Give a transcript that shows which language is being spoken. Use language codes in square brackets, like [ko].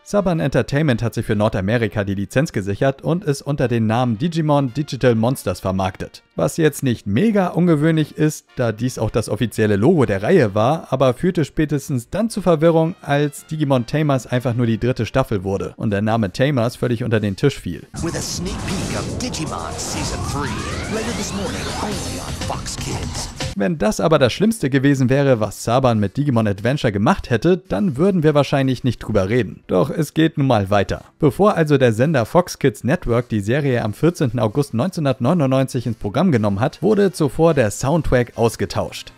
[de] Saban Entertainment hat sich für Nordamerika die Lizenz gesichert und es unter dem Namen Digimon Digital Monsters vermarktet. Was jetzt nicht mega ungewöhnlich ist, da dies auch das offizielle Logo der Reihe war, aber führte spätestens dann zu Verwirrung, als Digimon Tamers einfach nur die dritte Staffel wurde und der Name Tamers völlig unter den Tisch fiel. [en] With a sneak peek of Digimon Season 3, later this morning only on Fox Kids. [de] Wenn das aber das Schlimmste gewesen wäre, was Saban mit Digimon Adventure gemacht hätte, dann würden wir wahrscheinlich nicht drüber reden. Doch es geht nun mal weiter. Bevor also der Sender Fox Kids Network die Serie am 14. August 1999 ins Programm genommen hat, wurde zuvor der Soundtrack ausgetauscht.